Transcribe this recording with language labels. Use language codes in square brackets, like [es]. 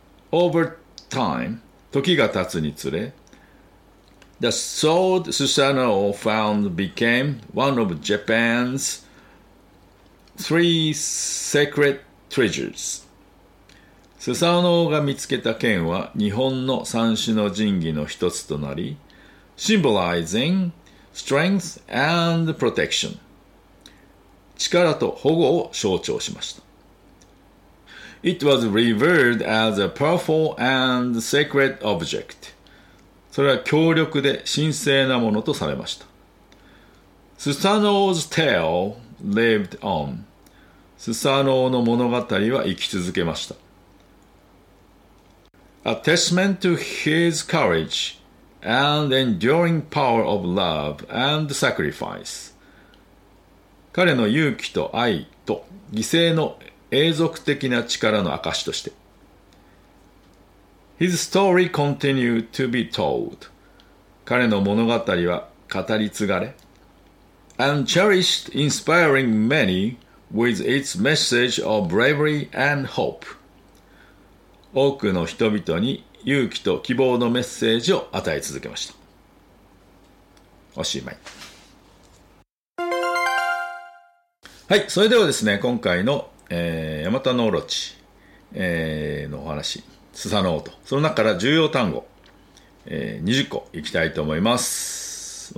[en] Over time, [ja] 時が経つにつれ、 [en] The sword Susanoo found became one of Japan's three sacred treasures. [ja] スサノオが見つけた剣は日本の三種の神器の一つとなり、 [en] symbolizing strength and protection. [ja] 力と保護を象徴しました。 [en] It was revered as a powerful and sacred object. [ja] それは強力で神聖なものとされました。 [en] Susanoo's tale lived on. [ja] スサノオの物語は生き続けました。 [en] A testament to his courage and enduring power of love and sacrifice. [ja] 彼の勇気と愛と犠牲の永続的な力の証として。 [en] His story continued to be told. [ja] 彼の物語は語り継がれ。 [en] And cherished, inspiring many with its message of bravery and hope. [ja] 多くの人々に勇気と希望のメッセージを与え続けました。おしまい。はい、それではですね、今回の、ヤマタノオロチ、のお話、スサノオと、その中から重要単語、20個いきたいと思います。